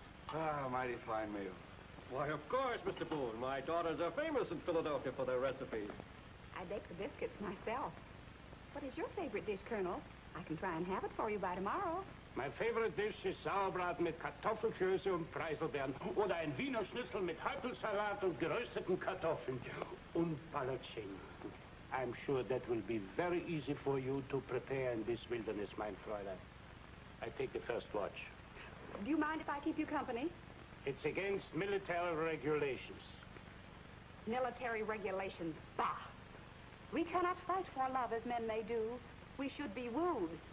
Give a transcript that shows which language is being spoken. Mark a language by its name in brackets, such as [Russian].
[English] Ah, mighty fine meal. Why, of course, Mr. Boone. My daughters are famous in Philadelphia for their recipes. I bake the biscuits myself. What is your favorite dish, Colonel? I can try and have it for you by tomorrow. My favorite dish is [German] Sauerbraten mit Kartoffelklöße und Preiselbeeren. Oder ein Wiener Schnitzel mit Hartelsalat und gerösteten Kartoffeln. Und Palatschinken. [English] I'm sure that will be very easy for you to prepare in this wilderness, [German] mein Fräulein. [English] I take the first watch. Do you mind if I keep you company? It's against military regulations. Military regulations, bah! We cannot fight for love as men may do. We should be wooed.